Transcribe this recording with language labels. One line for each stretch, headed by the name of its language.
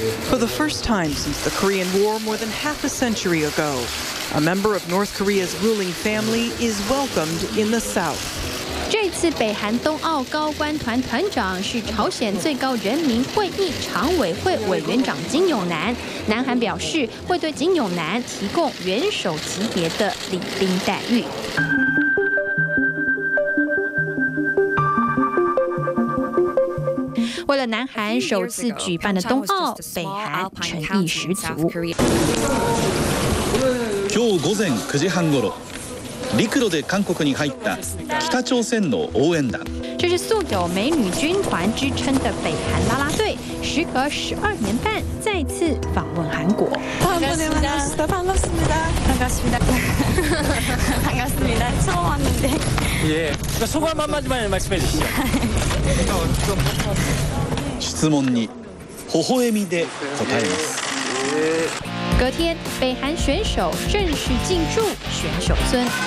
English: For the first time since the Korean War more than half a century ago, a member of North Korea's ruling family is welcomed in the South.
Chinese: 这次北韩冬奥高官团团长是朝鲜最高人民会议常委会委员长金永南。南韩表示会对金永南提供元首级别的礼宾待遇。为了南韩首次举办的冬奥，北韩诚意十足。
Japanese: 今日午前9時半ごろ。陸路で韓国に入った北朝鮮の応援団。
Chinese: 这是素有美女军团之称的北韩拉拉队，时隔12年半再次访问韩国。
Korean: 반갑습니다 반갑습니다 반갑습니다 반갑습니다처음왔는데 예소감한마디만말씀해주시죠
Japanese: 質問に微笑みで答えます。
Chinese: 隔天，北韩选手正式进驻选手村。